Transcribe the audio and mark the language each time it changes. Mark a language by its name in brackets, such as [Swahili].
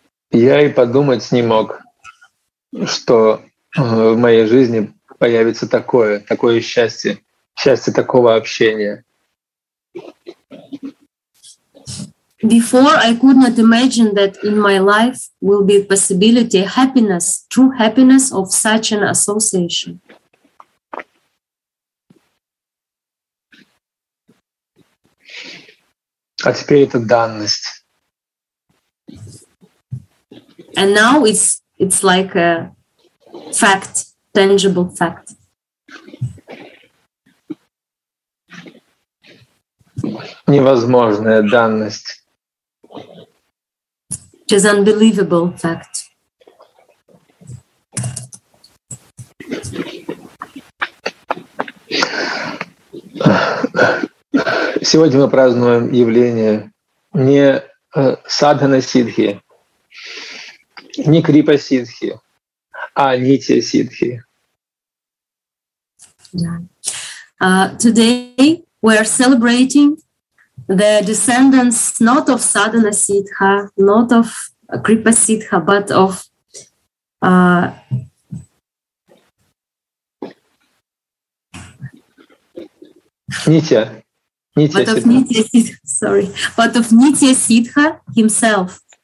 [Russian] Я и подумать не мог, что в моей жизни появится такое, такое счастье, счастье такого общения. [English] Before I could not imagine that in my life will be possibility happiness, true happiness of such an association. [Russian] А теперь это данность. [English] And now it's like a fact, tangible fact. [Russian] Невозможная данность. [English] Which is unbelievable fact. [Russian] Сегодня мы празднуем явление не садхана сиддхи, не крипа сиддхи, а нити сиддхи. [English] Today we are celebrating the descendants not of sadhana siddha, not of kripa siddha, but of Nitya siddha himself.